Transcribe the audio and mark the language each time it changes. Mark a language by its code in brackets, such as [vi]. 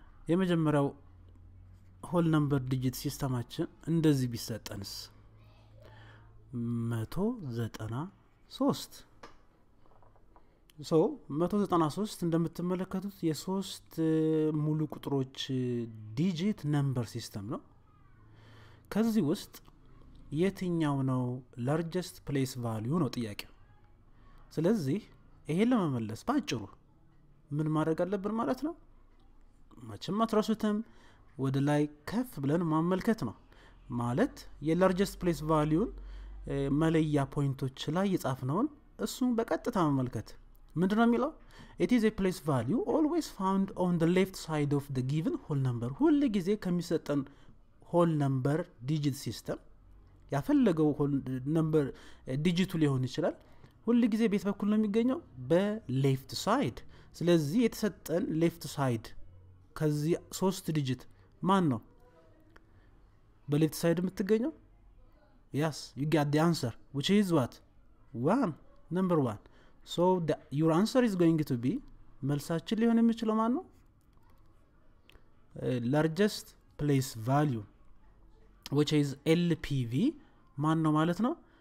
[am] የመጀመሪያው whole number digit systemአችን እንደዚህ ቢሰጠንስ 193 so 193 እንደምትመለከቱት የ3 ሙሉ ቁጥሮች digit number system ነው። ከዚህ ውስጥ የትኛው ነው largest place value ነው ጥያቄው። ስለዚህ ይሄን ለመመለስ ባጭሩ ምን ማድረግ አለብን ማለት ነው? ማችም አትራሱትም ወደ ላይ ከፍ ብለን ማመልከት ነው። ማለት የlargest place value መለያ ፖይንቶች ላይ ይጻፍነውን እሱን በቀጥታ ማመልከት። ምንድነው የሚለው? [en] It is a place value always found on the left side of the given whole number. [am] ሁሉ ጊዜ ከሚሰጠን whole number digit system ያፈልገው whole number digit ሊሆን ይችላል ሁሉ ጊዜ ቤት በኩል ነው የሚገኘው በleft side። ስለዚህ የተሰጠን left side ከዚህ 3 digit ማን ነው በleft side የምትገኘው? [en] Yes, you got the answer, which is what? 1, number 1. So your answer is going to be [am] መልሳችን ሊሆን የሚችለው ማን ነው? [en] Largest place value, which is LPV, [am] ማን ነው ማለት ነው?